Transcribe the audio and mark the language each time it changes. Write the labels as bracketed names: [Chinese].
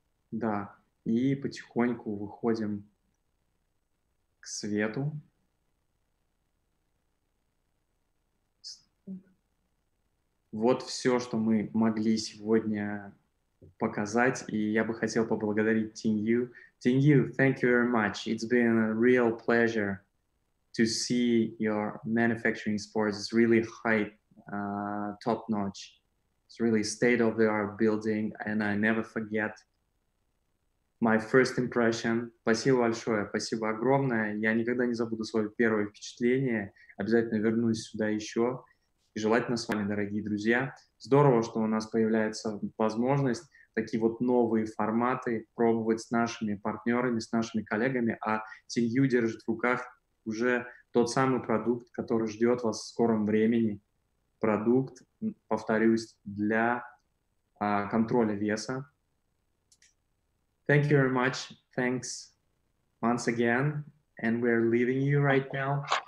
[Russian] Да, и потихоньку выходим к свету. Вот все, что мы могли сегодня показать, и я бы хотел поблагодарить Тинью. [English] Тинью, thank you very much. It's been a real pleasure to see your manufacturing sports. It's really high, top-notch. It's really state-of-the-art building, and I never forget my first impression. [Russian] Спасибо большое, спасибо огромное. Я никогда не забуду свое первое впечатление. Обязательно вернусь сюда еще. И желательно с вами, дорогие друзья. Здорово, что у нас появляется возможность такие вот новые форматы пробовать с нашими партнерами, с нашими коллегами. А Тинью держит в руках уже тот самый продукт, который ждет вас в скором времени. Продукт, повторюсь, для контроля веса. [English] Thank you very much. Thanks once again. And we're leaving you right now.